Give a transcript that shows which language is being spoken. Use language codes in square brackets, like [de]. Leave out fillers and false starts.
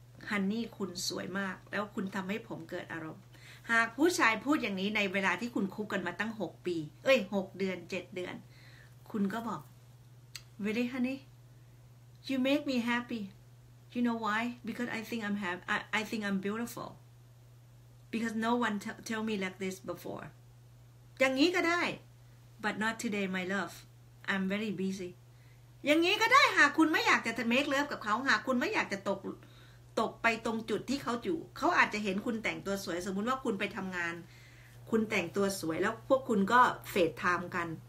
[th] Honey คุณสวยมากแล้วคุณทำให้ผมเกิดอารมณ์หากผู้ชายพูดอย่างนี้ในเวลาที่คุณคบกันมาตั้ง6ปีเอ้ย6เดือน7เดือนคุณก็บอก [en] Really honey you make me happyYou know why? Because I think I'm happy. I think I'm beautiful. Because no one tell me like this before. [th] อย่างนี้ก็ได้ [en] But not today, my love. I'm very busy. [th] อย่างนี้ก็ได้หากคุณไม่อยากจะ make love กับเขาหากคุณไม่อยากจะตกไปตรงจุดที่เขาอยู่เขาอาจจะเห็นคุณแต่งตัวสวยสมมุติว่าคุณไปทำงานคุณแต่งตัวสวยแล้วพวกคุณก็เฟดไทม์กัน